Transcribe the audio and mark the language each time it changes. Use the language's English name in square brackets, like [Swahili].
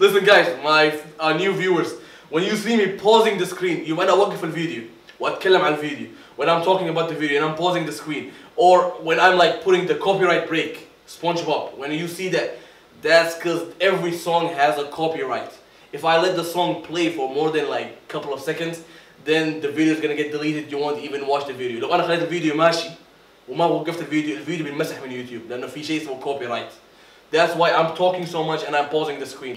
[English] Listen, guys, my new viewers, when you see me pausing the screen, you might not work for the video. What kill him on video? When I'm talking about the video and I'm pausing the screen, or when I'm like putting the copyright break, SpongeBob, when you see that, that's because every song has a copyright. If I let the song play for more than like a couple of seconds, then the video is gonna get deleted. You won't even watch the video. [Arabic] لو أنا خليت الفيديو ماشي وما وقفت الفيديو, الفيديو بينمسح من يوتيوب لأنه في شيء اسمه copyright. [English] That's why I'm talking so much and I'm pausing the screen.